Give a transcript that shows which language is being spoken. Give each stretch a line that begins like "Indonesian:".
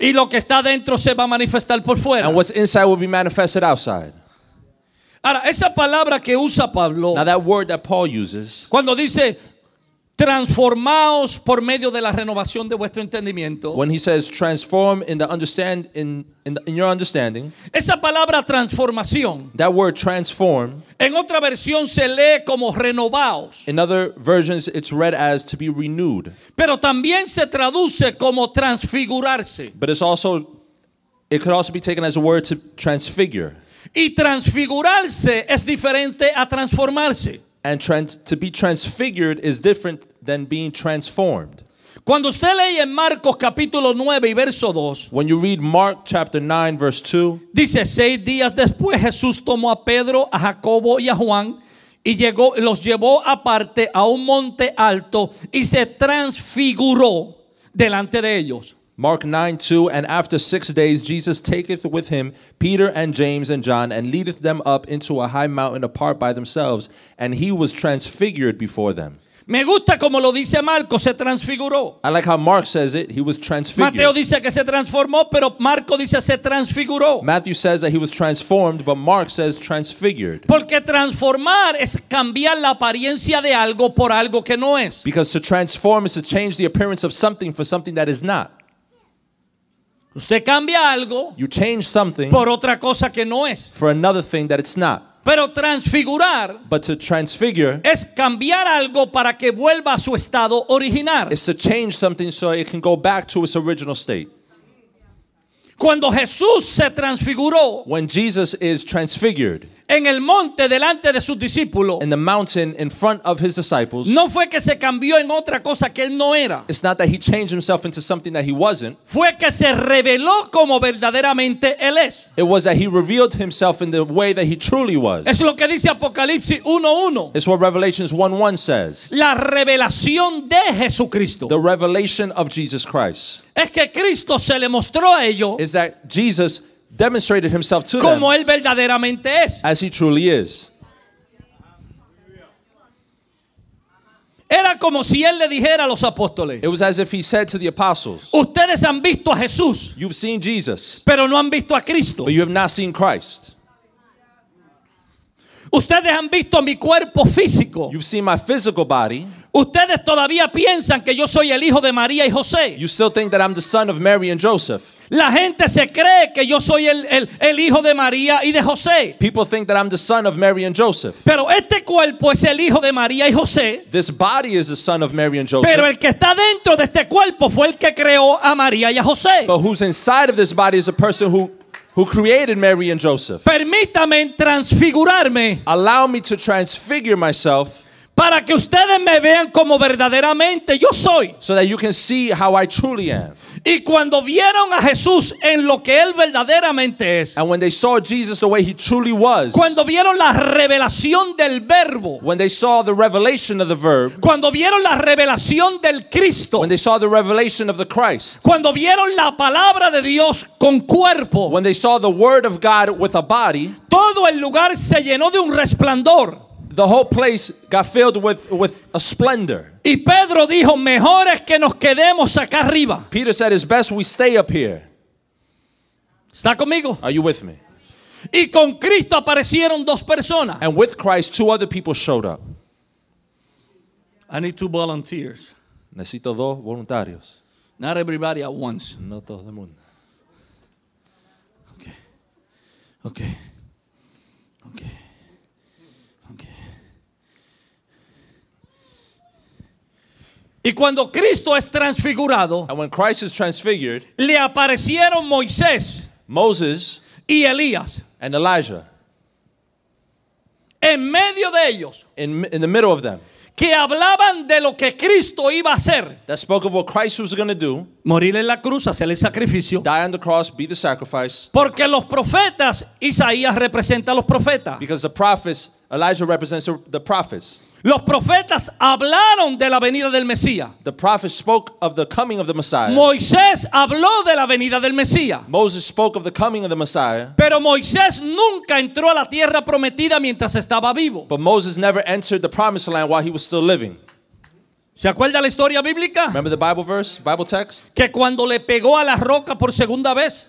Spanish: Y lo que está dentro se va a manifestar por fuera.
English: And what's inside will be manifested outside.
Spanish: Ahora, esa palabra que usa Pablo.
English: Now that word that Paul uses.
Spanish: Cuando dice transformaos por medio de la renovación de vuestro entendimiento.
English: When he says transform in the understand in your understanding.
Spanish: Esa palabra transformación.
English: That word transform.
Spanish: En otra versión se lee como renovaos.
English: In other versions it's read as to be renewed.
Spanish: Pero también se traduce como transfigurarse.
English: But it's also it could also be taken as a word to transfigure.
Spanish: Y transfigurarse es diferente a transformarse.
English: And to be transfigured is different than being transformed.
Spanish: Cuando usted lee en Marcos capítulo 9 y verso 2,
English: when you read Mark chapter 9 verse 2,
Spanish: dice, seis días después Jesús tomó a Pedro, a Jacobo y a Juan y llegó, los llevó aparte a un monte alto y se transfiguró delante de ellos.
English: Mark 9, 2, and after 6 days, Jesus taketh with him Peter and James and John, and leadeth them up into a high mountain apart by themselves, and he was transfigured before them.
Spanish: Me gusta como lo dice Marco, se transfiguró.
English: I like how Mark says it, he was transfigured.
Spanish: Mateo dice que se transformó, pero Marco dice se transfiguró.
English: Matthew says that he was transformed, but Mark says transfigured.
Spanish: Porque transformar es cambiar la apariencia de algo por algo que no es.
English: Because to transform is to change the appearance of something for something that is not.
Spanish: Usted cambia algo,
English: you change something,
Spanish: por otra cosa que no es,
English: for another thing that it's not.
Spanish: Pero transfigurar,
English: but to transfigure,
Spanish: es cambiar algo para que vuelva a su estado original.
English: It's to change something so it can go back to its original state.
Spanish: Cuando Jesús se transfiguró,
English: when Jesus is transfigured,
Spanish: en el monte delante de sus discípulos,
English: in the mountain in front of his disciples,
Spanish: no fue que se cambió en otra cosa que él no era.
English: It's not that he changed himself into something that he wasn't.
Spanish: Fue que se reveló como verdaderamente él es.
English: It was that he revealed himself in the way that he truly was.
Spanish: Es lo que dice Apocalipsis 1:1.
English: It's what Revelations 1:1 says.
Spanish: La revelación de Jesucristo.
English: The revelation of Jesus Christ.
Spanish: Es que Cristo se le mostró a ellos.
English: Is that Jesus demonstrated himself to
Spanish: como
English: them
Spanish: él verdaderamente es.
English: As he truly is.
Spanish: Era como si él le dijera a los apóstoles,
English: it was as if he said to the apostles,
Spanish: ustedes han visto a Jesús,
English: you've seen Jesus,
Spanish: pero no han visto a Cristo,
English: but you have not seen Christ.
Spanish: Ustedes han visto mi cuerpo físico,
English: you've seen my physical body.
Spanish: Ustedes todavía piensan que yo soy el hijo de María y José.
English: You still think that I'm the son of Mary and Joseph.
Spanish: La gente se cree que yo soy el hijo de María y de José.
English: People think that I'm the son of Mary and Joseph.
Spanish: Pero este cuerpo es el hijo de María y José.
English: This body is the son of Mary and Joseph.
Spanish: Pero el que está dentro de este cuerpo fue el que creó a María y a José.
English: But who's inside of this body is a person who created Mary and Joseph.
Spanish: Permítame transfigurarme.
English: Allow me to transfigure myself.
Spanish: Para que ustedes me vean como verdaderamente yo soy.
English: So that you can see how I truly am.
Spanish: Y cuando vieron a Jesús en lo que él verdaderamente es.
English: And when they saw Jesus the way he truly was.
Spanish: Cuando vieron la revelación del verbo.
English: When they saw the revelation of the verb.
Spanish: Cuando vieron la revelación del Cristo.
English: When they saw the revelation of the Christ.
Spanish: Cuando vieron la palabra de Dios con cuerpo.
English: When they saw the word of God with a body.
Spanish: Todo el lugar se llenó de un resplandor.
English: The whole place got filled with a splendor.
Spanish: Y Pedro dijo, mejor es que nos quedemos acá arriba.
English: Peter said, it's best we stay up here.
Spanish: ¿Está conmigo?
English: Are you with me?
Spanish: Y con Cristo aparecieron dos personas.
English: And with Christ, two other people showed up. I need two volunteers.
Spanish: Necesito dos voluntarios.
English: Not everybody at once.
Spanish: No todo el mundo.
English: Okay. Okay.
Spanish: Y cuando Cristo es transfigurado,
English: and when Christ is transfigured,
Spanish: le aparecieron Moisés,
English: Moses,
Spanish: y Elías,
English: and Elijah,
Spanish: en medio de ellos,
English: in the middle of them,
Spanish: que hablaban de lo que Cristo iba a hacer.
English: That spoke of what Christ was going to do.
Spanish: Morir en la cruz, hacer el sacrificio.
English: Die on the cross, be the sacrifice.
Spanish: Porque los profetas, Isaías representa a los profetas.
English: Because the prophets, Elijah represents the prophets.
Spanish: Los profetas hablaron de la venida del Mesías.
English: The prophets spoke of the coming of the Messiah.
Spanish: Moisés habló de la venida del Mesías.
English: Moses spoke of the coming of the Messiah.
Spanish: Pero Moisés nunca entró a la tierra prometida mientras estaba vivo.
English: But Moses never entered the promised land while he was still living.
Spanish: ¿Se acuerda la historia bíblica?
English: Remember the Bible verse, Bible text?
Spanish: Que cuando le pegó a la roca por segunda vez,